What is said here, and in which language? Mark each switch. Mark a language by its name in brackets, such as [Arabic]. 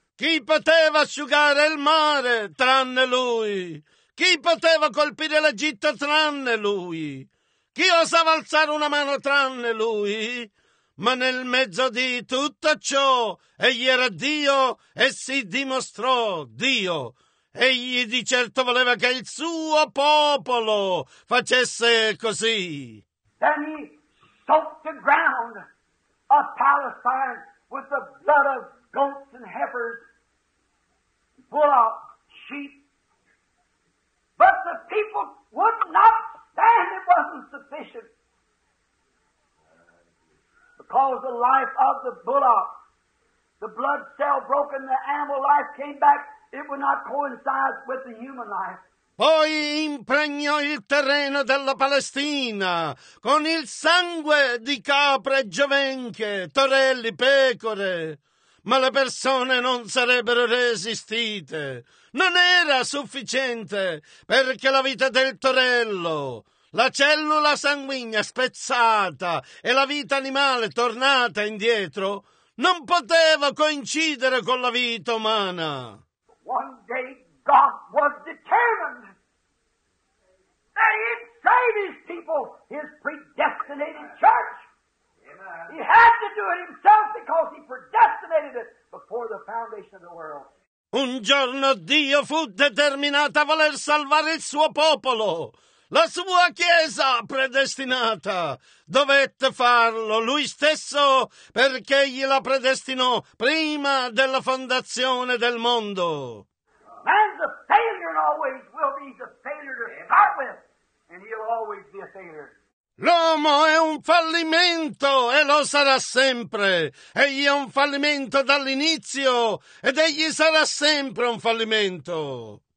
[Italian] Chi poteva asciugare il mare tranne lui? Chi poteva colpire l'Egitto tranne lui? Chi osava alzare una mano tranne lui? Ma nel mezzo di tutto ciò, egli era Dio e si dimostrò Dio. Egli di certo voleva che il suo popolo facesse così. [English] Then he soaked the ground of Palestine with the blood of goats and heifers, pulled out sheep. But the people would not stand, it wasn't sufficient. Because the life of the bullock, the blood cell broken, the animal life came back, it would not coincide with the human life. [Italian] Poi impregnò il terreno della Palestina con il sangue di capre, giovenche, torelli, pecore. Ma le persone non sarebbero resistite. Non era sufficiente, perché la vita del torello, la cellula sanguigna spezzata e la vita animale tornata indietro, non poteva coincidere con la vita umana. [English] One day God was determined that he'd save his people, his predestinated church. He had to do it himself because he predestinated it before the foundation of the world. [Italian] Un giorno Dio fu determinato a voler salvare il suo popolo. La sua chiesa predestinata dovette farlo lui stesso perché egli la predestinò prima della fondazione del mondo. [English] Man's a failure and always will be the failure to start with, and he'll always be a failure. [Italian] L'uomo è un fallimento e lo sarà sempre. Egli è un fallimento dall'inizio ed egli sarà sempre un fallimento.